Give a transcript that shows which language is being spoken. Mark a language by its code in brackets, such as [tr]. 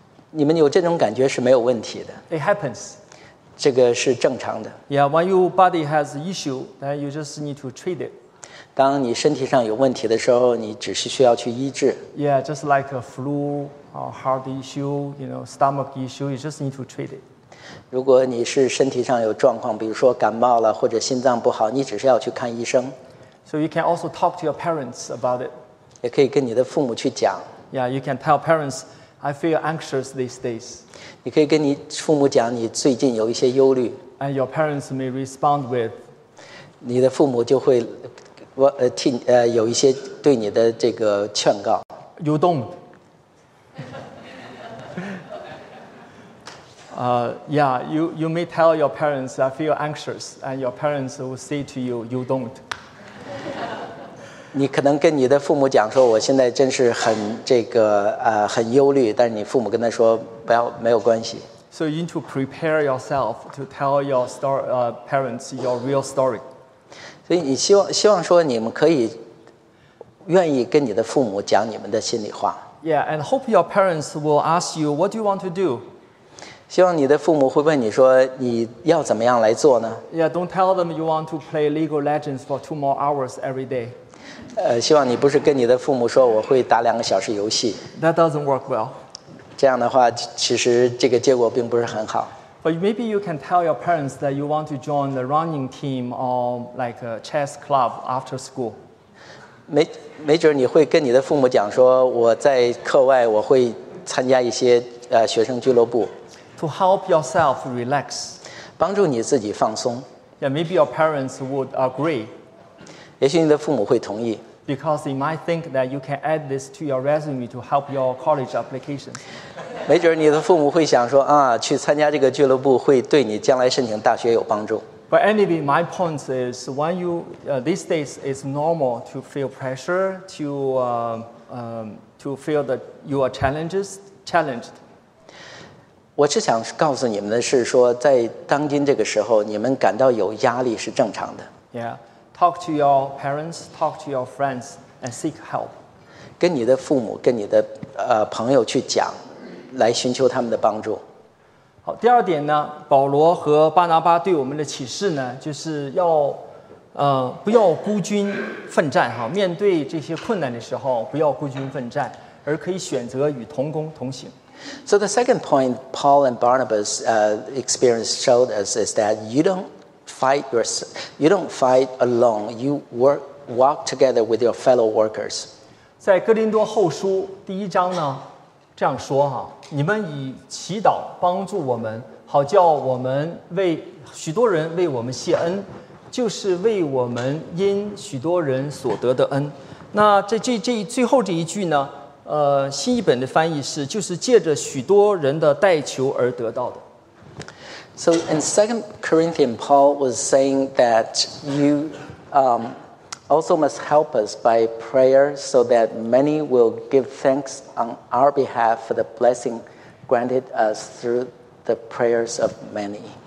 [zh] 你们有这种感觉是没有问题的。 [en] It happens. [zh] 这个是正常的。 [en] Yeah, when your body has issue, then you just need to treat it. [zh] 当你身体上有问题的时候，你只是需要去医治。 [en] Yeah, just like a flu, a heart issue, you know, stomach issue, you just need to treat it. [zh] 如果你是身体上有状况，比如说感冒了或者心脏不好，你只是要去看医生。 [en] So you can also talk to your parents about it. [zh] 也可以跟你的父母去讲。 [en] Yeah, you can tell parents. I feel anxious these days. [zh] 你可以跟你父母讲你最近有一些忧虑。 [en] And your parents may respond with. [zh] 你的父母就会替有一些对你的这个劝告。 [en] You don't. Yeah, you may tell your parents, I feel anxious, and your parents will say to you, you don't. [zh] 你可能跟你的父母讲说，我现在真是很这个很忧虑，但是你父母跟他说不要没有关系。 [en] So you need to prepare yourself to tell your parents your real story. [zh] 所以你希望说你们可以愿意跟你的父母讲你们的心里话。 [en] Yeah, and hope your parents will ask you what do you want to do. [zh] 希望你的父母会问你说你要怎么样来做呢 [en] ？Yeah, don't tell them you want to play League of Legends for 2 more hours every day. [zh] 希望你不是跟你的父母说我会打两个小时游戏。 [en] That doesn't work well. [zh] 这样的话，其实这个结果并不是很好。 [en] But maybe you can tell your parents that you want to join the running team or like a chess club after school. [zh] 没准你会跟你的父母讲说我在课外我会参加一些学生俱乐部。 [en] To help yourself relax. [zh] 帮助你自己放松。 [en] Yeah, maybe your parents would agree. [zh] 也许你的父母会同意。 [en] Because they might think that you can add this to your resume to help your college application. [zh] 没准你的父母会想说啊，去参加这个俱乐部会对你将来申请大学有帮助。 [en] But anyway, my point is when you, these days it's normal to feel pressure, to feel that you are challenged. [zh] 我是想告诉你们的是说在当今这个时候你们感到有压力是正常的。 [en] Yeah, talk to your parents, talk to your friends and seek help. [zh] 跟你的父母跟你的朋友去讲来寻求他们的帮助。好，第二点呢，保罗和巴拿巴对我们的启示呢，就是要，不要孤军奋战哈。面对这些困难的时候，不要孤军奋战，而可以选择与同工同行。 [en] So the second point Paul and Barnabas experience showed us is that you don't fight alone. You walk together with your fellow workers. [zh] 在哥林多后书第一章呢。这样说哈，你们以祈祷帮助我们，好叫我们为许多人为我们谢恩，就是为我们因许多人所得的恩。那这最后这一句呢？新译本的翻译是，就是借着许多人的代求而得到的。 [en] So in 2 Corinthians, Paul was saying that you also must help us by prayer so that many will give thanks on our behalf for the blessing granted us through the prayers of many.